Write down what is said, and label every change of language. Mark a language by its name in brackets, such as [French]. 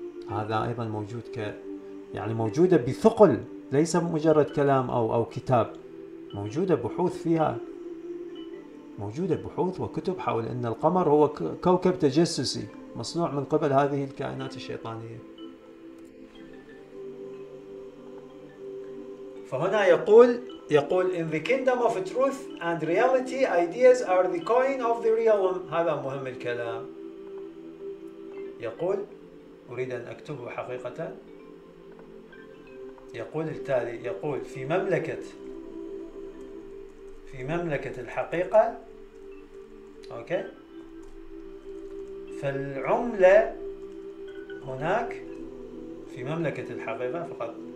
[Arabic] هذا أيضا موجود يعني موجودة بثقل، ليس مجرد كلام أو كتاب، موجودة بحوث فيها، موجودة بحوث وكتب حول أن القمر هو كوكب تجسسي مصنوع من قبل هذه الكائنات الشيطانية. فهنا يقول [English] in the kingdom of truth and reality ideas are the coin of the realm. [Arabic] هذا مهم الكلام. يقول، أريد أن أكتبه حقيقة، يقول التالي، يقول في مملكة الحقيقة، أوكي، فالعملة هناك في مملكة الحقيقة، فقط